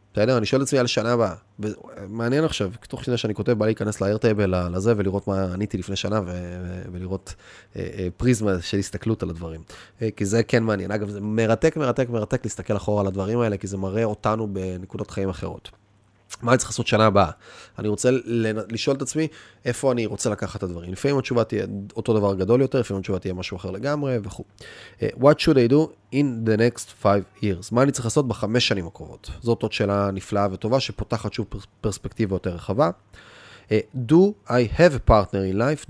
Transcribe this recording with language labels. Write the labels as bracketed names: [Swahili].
[Hebrew] בסדר, אני שואל את עצמי על שנה הבאה. מעניין עכשיו, תוך שנה שאני כותב, בא להיכנס לאיירטייבל, לזה, ולראות מה עניתי לפני שנה, ולראות פריזמה של הסתכלות על הדברים. כי זה כן מעניין. אגב, זה מרתק, מרתק, מרתק להסתכל אחורה על הדברים האלה, כי זה מראה אותנו בנקודות חיים אחרות. מה אני צריך לעשות שנה הבאה? אני רוצה לשאול את עצמי איפה אני רוצה לקחת את הדברים. לפעמים התשובה תהיה אותו דבר גדול יותר, לפעמים התשובה תהיה משהו אחר לגמרי וכו. [English] What should I do in the next 5 years? [Hebrew] מה אני צריך לעשות בחמש שנים הקרובות? זאת עוד שאלה נפלאה וטובה שפותחת שוב פרספקטיבה יותר רחבה. [English] Do I have a partner in life?